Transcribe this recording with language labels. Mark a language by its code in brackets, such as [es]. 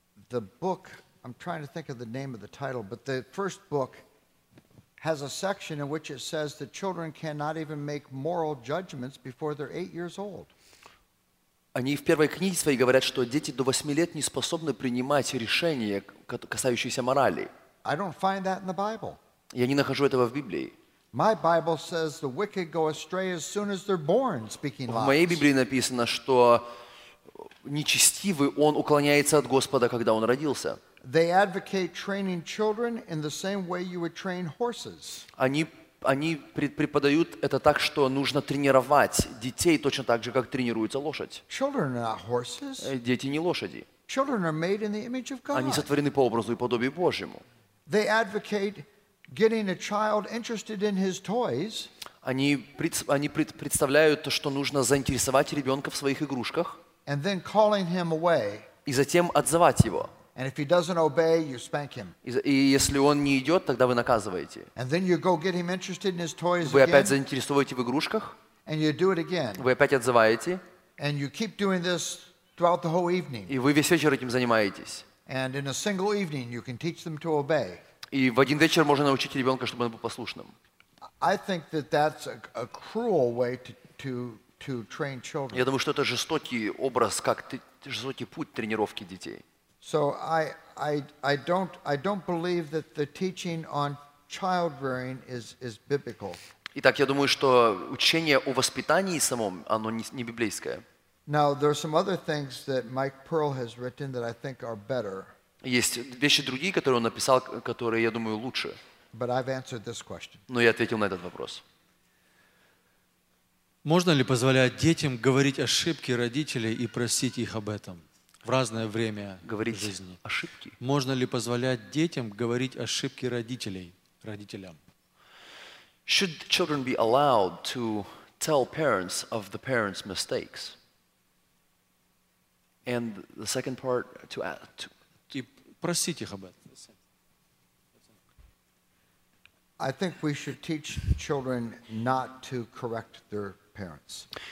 [en] The book, I'm trying to think of the name of the title, but the first book has a section in which it says that children cannot even make moral judgments before they're 8 years old. [ru] Они в первой книге своей говорят, что дети до 8 лет не способны принимать решения, касающиеся морали. [en] I don't find that in the Bible. [ru] Я не нахожу этого в Библии. [en] My Bible says the wicked go astray as soon as they're born, speaking lies. [ru] В моей Библии написано, что нечестивый, он уклоняется от Господа, когда он родился. [en] They advocate training children in the same way you would train horses. [ru] Они преподают это так, что нужно тренировать детей точно так же, как тренируется лошадь. [en] Children are not horses. [ru] Дети не лошади. [en] Children are made in the image of God. [ru] Они сотворены по образу и подобию Божьему. [en] They advocate getting a child interested in his toys. [ru] Они представляют то, что нужно заинтересовать ребенка в своих игрушках. [en] And then calling him away. [ru] И затем отзывать его. [en] And if he doesn't obey, you spank him. [ru] И если он не идет, тогда вы наказываете. [en] And then you go get him interested in his toys again. [ru] Вы опять заинтересовываете в игрушках. [en] And you do it again. [ru] Вы опять отзываете. [en] And you keep doing this throughout the whole evening. [ru] И вы весь вечер этим занимаетесь. [en] And in a single evening, you can teach them to obey. [ru] И в один вечер можно научить ребенка, чтобы он был послушным. [en] I think that that's a cruel way to train children. [ru] Я думаю, что это жестокий образ, как жестокий путь тренировки детей. [en] So I don't believe that the teaching on child rearing is biblical. [ru] Итак, я думаю, что учение о воспитании самом, оно не библейское. [en] Now there are some other things that Mike Pearl has written that I think are better. [ru] Есть вещи другие, которые он написал, которые, я думаю, лучше. [en] But I've answered this question. [ru] Но я ответил на этот вопрос. Можно ли позволять детям говорить ошибки родителей и просить их об этом в разное время говорить жизни? Ошибки. Можно ли позволять детям говорить ошибки родителям? [en] Should children be allowed to tell parents of the parents' mistakes? And the second part to add to. [ru] Просить их об этом. [en] I think we should teach children not to correct their parents.